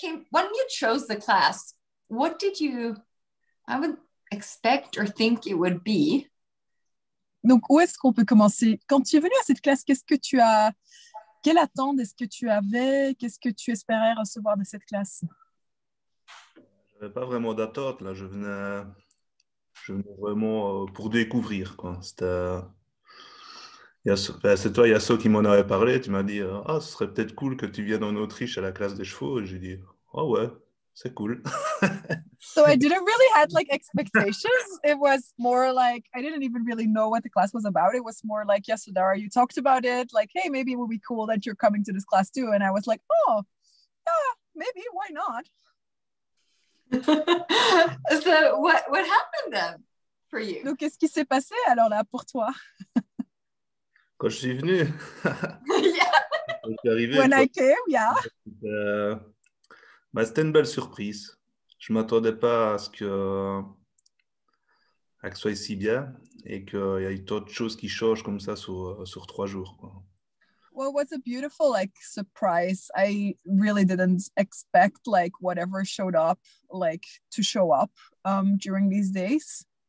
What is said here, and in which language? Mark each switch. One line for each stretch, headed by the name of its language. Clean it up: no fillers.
English: When you chose the class, what did you, I would expect or think it would be?
French: Donc où est-ce qu'on peut commencer? Quand tu es venu à cette classe, qu'est-ce que tu as... Quelle attente est-ce que tu avais? Qu'est-ce que tu espérais recevoir de cette classe? Je n'avais pas vraiment d'attente. Là, je venais vraiment pour découvrir. C'est toi, Yasso, qui m'en avait parlé. Tu m'as dit, oh, ce serait peut-être cool que tu viennes en Autriche à la classe des chevaux. Et j'ai dit, oh ouais, c'est cool.
English: So I didn't really have like expectations. It was more like I didn't even really know what the class was about. It was more like Yasodhara, you talked about it, like, hey, maybe it would be cool that you're coming to this class too. And I was like, oh yeah, maybe, why not? So what happened then for you?
French: Donc qu'est-ce qui s'est passé alors là pour toi? Quand je suis venu.
English: Yeah. When I came, yeah.
French: C'était une belle surprise. Je ne m'attendais pas à ce que soit si bien et qu'il y ait tant de choses qui changent comme ça sur 3 jours.
English: Well, it was a beautiful like surprise. I really didn't expect like whatever showed up like to show up during these days.